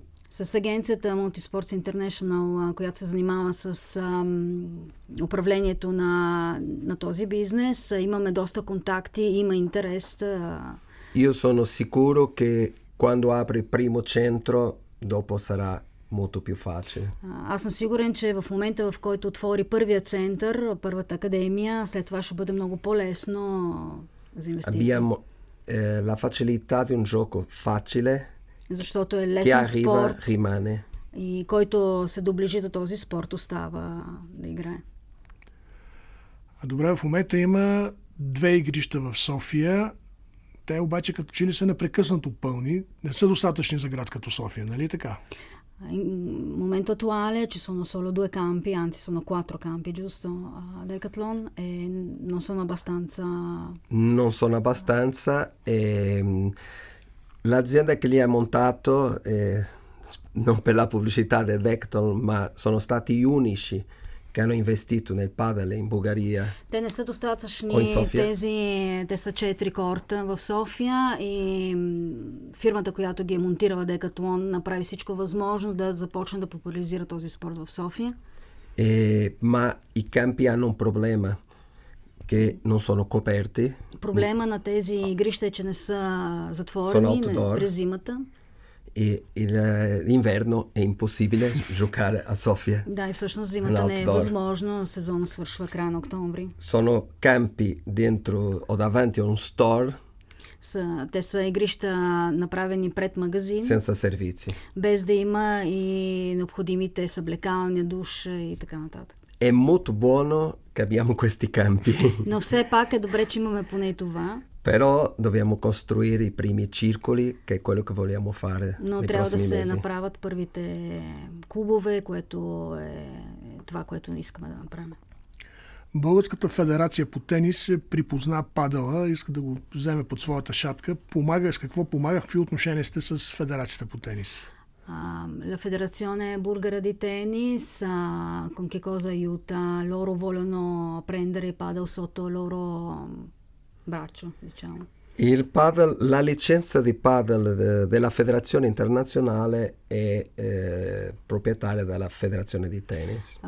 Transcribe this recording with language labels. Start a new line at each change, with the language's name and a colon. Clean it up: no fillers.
Bulgarian: С агенцията Multisports International, която се занимава с управлението на този бизнес, имаме доста контакти, има интерес.
Italian: Io sono sicuro che quando apri il primo centro, dopo sarà molto più facile.
Bulgarian: Аз съм сигурен, че в момента, в който отвори първия център, първата академия, след това ще бъде много по-лесно за инвестиции.
Italian: Abbiamo la facilità di un gioco facile.
Bulgarian: Защото е лесен спорт
Italian: rimane.
Bulgarian: И който се доближи до този спорт, остава да играе. А добре, в момента има две игрища в София. Те обаче като че ли са непрекъснато пълни, не са достатъчни за град като София, нали така? Момент
Italian: attuale ci sono solo due campi, anzi sono quattro campi, giusto? Decathlon e non sono abbastanza. Non sono abbastanza e l'azienda che li ha montato, non per la pubblicità del Decathlon, ma sono stati gli unici che hanno investito nel padel in Bulgaria. Te ne sono stati tesi Cetri Court in Sofia e firmata che li ha montato a Decathlon ha fatto tutto possibile da започне da popolarizzare questo sport in Sofia. Ma i campi hanno un problema. Che non sono coperti. Il problema
Bulgarian: на тези игрища е, че не са затворени през зимата. И
Italian: l'inverno è impossibile giocare a Sofia.
Bulgarian: Да, и всъщност зимата не е възможно, сезонът свършва края на октомври.
Italian: Sono campi dentro o davanti a un store.
Bulgarian: Те са игрища направени пред магазин.
Italian: Senza servizi.
Bulgarian: Без да има и необходимите съблекални, душ и така нататък.
Italian: È molto buono che abbiamo questi campi.
Bulgarian: Но все пак е добре, че имаме поне и това.
Italian: Però dobbiamo costruire i primi circoli, che è quello che vogliamo fare.
Bulgarian: Но трябва да се направят първите клубове, което е това, което искаме да направим. Българската федерация по тенис припозна падела, иска да го вземе под своята шапка. Помага, с какво помага, какви отношения сте с федерацията по тенис?
Italian: La Federazione Bulgara di Tennis, con che cosa aiuta? Loro vogliono prendere il padel sotto il loro braccio, diciamo. Il padel, la licenza di padel della Federazione Internazionale è proprietaria della Federazione di Tennis.